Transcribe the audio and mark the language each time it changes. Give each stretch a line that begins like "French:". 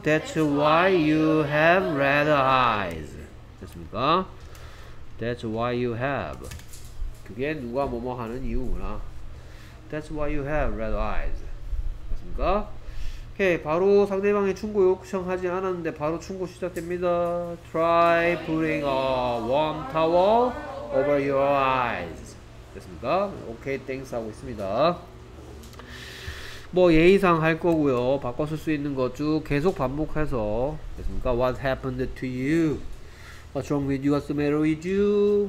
English: That's why you have red eyes.
Korean: 됐습니까?
English: That's why you have.
Korean: 그게 누가 뭐뭐 하는 이유구나.
English: That's why you have red eyes.
Korean: 됐습니까? 오케이. 바로 상대방이 충고 요청하지 않았는데 바로 충고 시작됩니다.
English: Try putting a warm towel over your eyes.
Korean: 됐습니까? 오케이, 땡스 하고 있습니다. 뭐 예의상 할 거고요. 바꿨을 수 있는 거 쭉 계속 반복해서. 됐습니까?
English: What happened to you? What's wrong with you? What's the matter with you?